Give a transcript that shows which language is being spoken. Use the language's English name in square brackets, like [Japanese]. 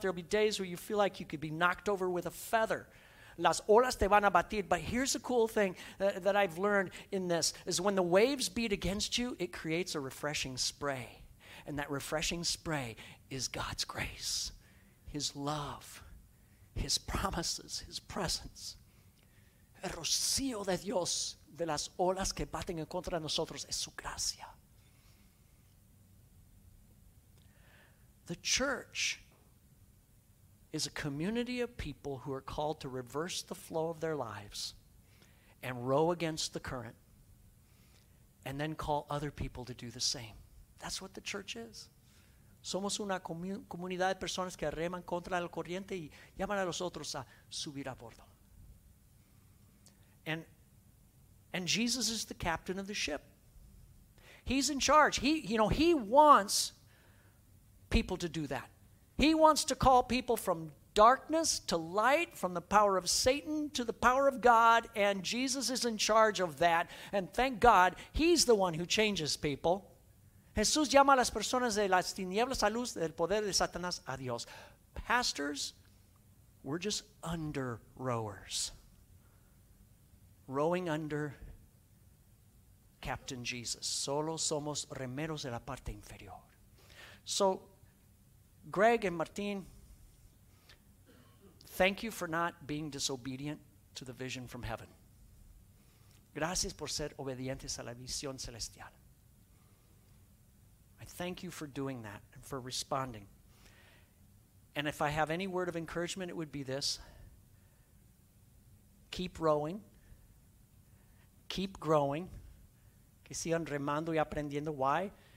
[English] There'll be days where you feel like you could be knocked over with a feather. [Spanish] Las olas te van a batir. [English] But here's a cool thing that I've learned in this, is when the waves beat against you, it creates a refreshing spray. And that refreshing spray is God's grace, His love, His promises, His presence. [Spanish] El rocío de Dios de las olas que baten en contra de nosotros es su gracia. [English] The church is a community of people who are called to reverse the flow of their lives and row against the current and then call other people to do the same. That's what the church is. [Spanish] Somos una comunidad de personas que reman contra el corriente y llaman a los otros a subir a bordo. [English] And Jesus is the captain of the ship. He's in charge. He wants people to do that. He wants to call people from darkness to light, from the power of Satan to the power of God, and Jesus is in charge of that. And thank God, He's the one who changes people. [Spanish] Jesús llama a las personas de las tinieblas a luz del poder de Satanás a Dios. [English] Pastors, we're just under rowers. Rowing under Captain Jesus. [Spanish] Solo somos remeros de la parte inferior. [English] So, Greg and Martin, thank you for not being disobedient to the vision from heaven. [Spanish] Gracias por ser obedientes a la visión celestial. [English] I thank you for doing that and for responding. And if I have any word of encouragement, it would be this. Keep rowing. Keep growing. [Spanish] Que sigan remando y aprendiendo. [English] Why?